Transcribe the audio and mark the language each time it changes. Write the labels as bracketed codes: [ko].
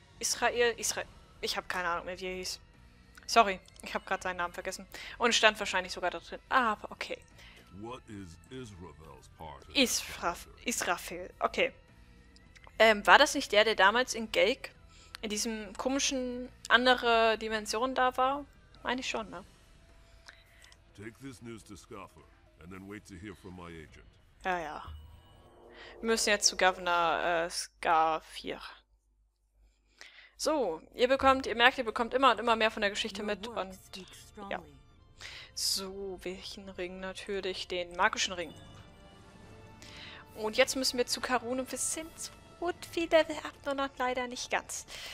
[de] Ich habe keine Ahnung mehr, wie er hieß. Sorry, ich habe gerade seinen Namen vergessen. Und stand wahrscheinlich sogar da drin. Aber okay. [en] What is Israel's part of [de] Israfel, okay. War das nicht der, der damals in Gaelic in diesem komischen andere Dimension da war? Meine ich schon, ne? [en] Take this news to Scaffer and then wait to hear from my agent. [de] Ja, ja. Wir müssen jetzt zu Governor Scar 4. So, ihr merkt, ihr bekommt immer und immer mehr von der Geschichte mit und ja. So, welchen Ring? Natürlich den magischen Ring. Und jetzt müssen wir zu Karun und wir sind so viel Level ab, nur noch leider nicht ganz.